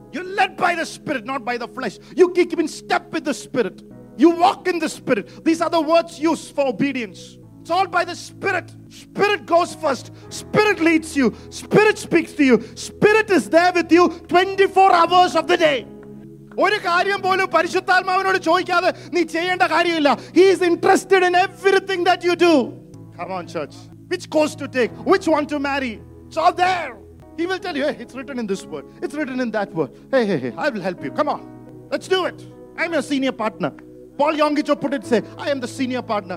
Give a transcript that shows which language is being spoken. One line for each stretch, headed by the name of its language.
English: You're led by the Spirit, not by the flesh. You keep in step with the Spirit. You walk in the Spirit. These are the words used for obedience. It's all by the Spirit. Spirit goes first. Spirit leads you. Spirit speaks to you. Spirit is there with you 24 hours of the day.
Malayalam: ഒരു കാര്യം പോലും പരിശുദ്ധാത്മാവിനോട് ചോദിക്കാതെ നീ ചെയ്യേണ്ട കാര്യമില്ല.
English: He is interested in everything that you do. Come on, church. Which course to take? Which one to marry? It's all there. He will tell you, hey, it's written in this word. It's written in that word. Hey, I will help you. Come on. Let's do it. I'm your senior partner. Paul Yongicho put it, say, I am the senior partner.